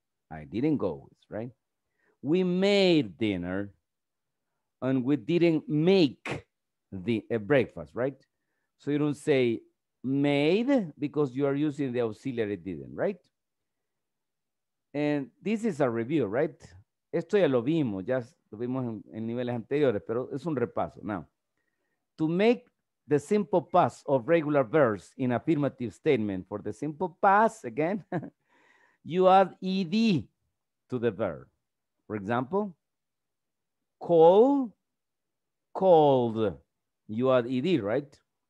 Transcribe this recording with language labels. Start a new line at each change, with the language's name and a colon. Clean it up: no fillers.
English: I didn't go, right? We made dinner and we didn't make a breakfast, right? So you don't say made because you are using the auxiliary didn't, right? And this is a review, right?
Spanish: Esto ya lo vimos, ya lo vimos en niveles anteriores, pero es un repaso.
English: Now, to make the simple past of regular verbs in affirmative statement for the simple past, again, you add ed to the verb. For example, called, you add ed, right?